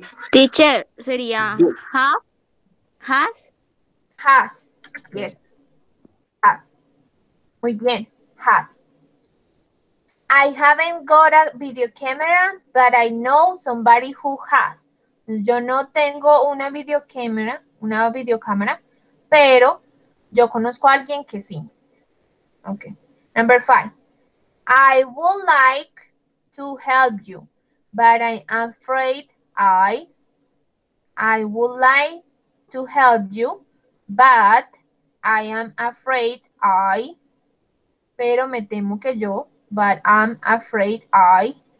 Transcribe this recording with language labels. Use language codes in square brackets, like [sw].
[es] Teacher, sería has, [en] yes, has, [es] muy bien, has. [en] I haven't got a video camera, but I know somebody who has. [es] Yo no tengo una videocámara, pero yo conozco a alguien que sí. [en] Okay. Number five. I would like to help you, but I'm afraid I would like to help you, but I am afraid I. [es] Pero me temo que yo. [en] But I'm afraid I.